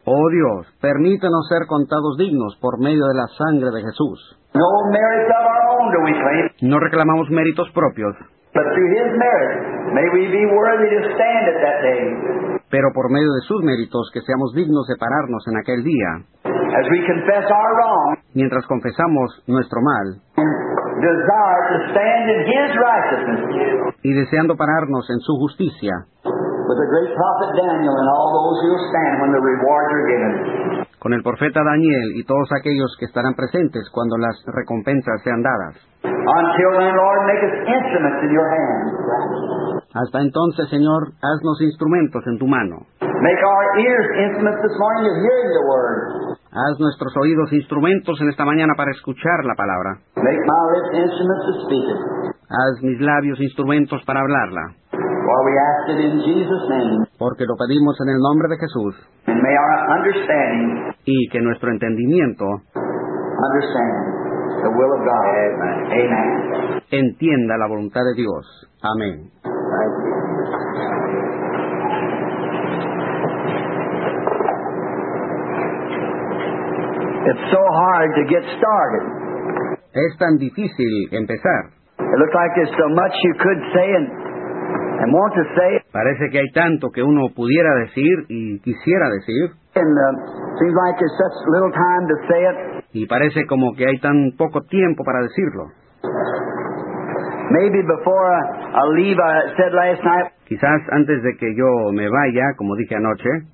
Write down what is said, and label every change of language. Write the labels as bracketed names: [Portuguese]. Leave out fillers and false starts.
[Spanish] Oh Dios, permítanos ser contados dignos por medio de la sangre de Jesús. [English] No merits of our own do we claim. [Spanish] No reclamamos méritos propios. [English] But through His merit, may we be worthy to stand at that day. [Spanish] Pero por medio de sus méritos, que seamos dignos de pararnos en aquel día. [English] As we confess our wrong. [Spanish] Mientras confesamos nuestro mal. [English] Desire to stand in His righteousness. [Spanish] Y deseando pararnos en su justicia. [English] With the great prophet Daniel and all those who stand when the rewards are given. [Spanish] Con el profeta Daniel y todos aquellos que estarán presentes cuando las recompensas sean dadas. [English] Until then, Lord, make us instruments in your hand. [Spanish] Hasta entonces, Señor, haznos instrumentos en tu mano. [English] Make our ears instruments this morning of hearing the word. [Spanish] Haz nuestros oídos instrumentos en esta mañana para escuchar la palabra. [English] Make my lips instruments to speak it. [Spanish] Haz mis labios instrumentos para hablarla. [English] For we ask it in Jesus' name. [Spanish] Porque lo pedimos en el nombre de Jesús. [English] And may our understanding. [Spanish] Y que nuestro entendimiento. [English] Understand the will of God. Amen. Amen. [Spanish] Entienda la voluntad de Dios. Amén. [English] It's so hard to get started. [Spanish] Es tan difícil empezar. [English] It looks like there's so much you could say and want to say. [Spanish] Parece que hay tanto que uno pudiera decir y quisiera decir. [English] And seems like there's such little time to say it. [Spanish] Y parece como que hay tan poco tiempo para decirlo. [English] Maybe before I leave, I said last night. [Spanish] Quizás antes de que yo me vaya, como dije anoche.